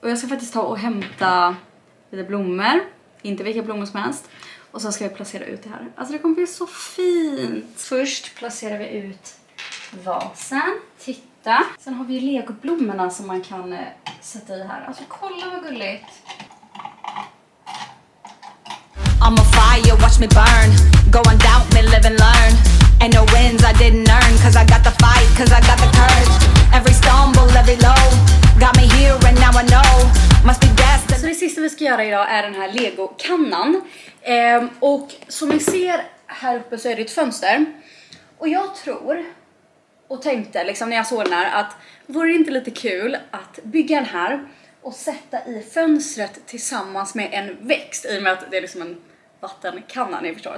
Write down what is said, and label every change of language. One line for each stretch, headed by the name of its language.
Swedish: Och jag ska faktiskt ta och hämta lite blommor. Inte vilka blommor som helst. Och sen ska jag placera ut det här. Alltså det kommer bli så fint. Först placerar vi ut vasen. Titta. Sen har vi legoblommorna som man kan sätta i här. Alltså kolla vad gulligt.
English: I'm on fire, watch me burn. Go on doubt me, live and learn. And no wins I didn't earn. Cause I got the fight, cause I got the courage. Every stumble, every low. Got me here and now I know. Must be destined.
Swedish: Så det sista vi ska göra idag är den här legokannan. Och som ni ser här uppe så är det ett fönster. Och jag tror och tänkte liksom när jag såg den här att vore det inte lite kul att bygga den här och sätta i fönstret tillsammans med en växt, i och med att det är liksom en vattenkanna, ni förstår.